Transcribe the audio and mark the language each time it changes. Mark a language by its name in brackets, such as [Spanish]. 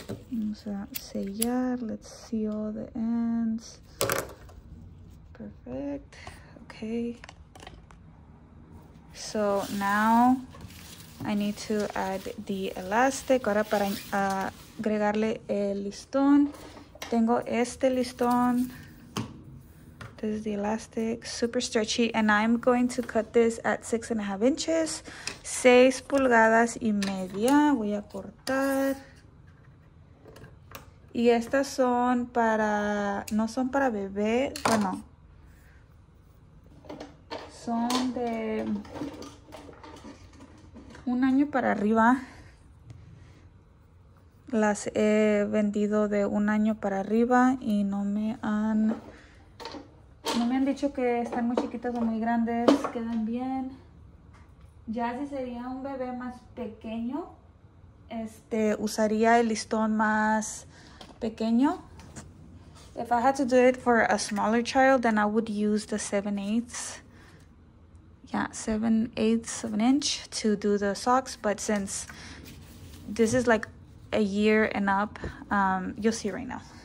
[Spanish] Vamos a sellar. [English] Let's seal the ends. Perfect. Okay. So now I need to add the elastic. [Spanish] Ahora para agregarle el listón, tengo este listón. [English] This is the elastic, super stretchy, and I'm going to cut this at 6.5 inches, [Spanish] 6.5 pulgadas. Voy a cortar. Y estas son para, no son para bebé, bueno, son de 1 año para arriba. Las he vendido de 1 año para arriba y no me han dicho que están muy chiquitas o muy grandes. Quedan bien. Ya si sería un bebé más pequeño, usaría el listón más pequeño. [English] If I had to do it for a smaller child, then I would use the 7/8. Yeah, 7/8 of an inch to do the socks. But since this is like a year and up, you'll see right now.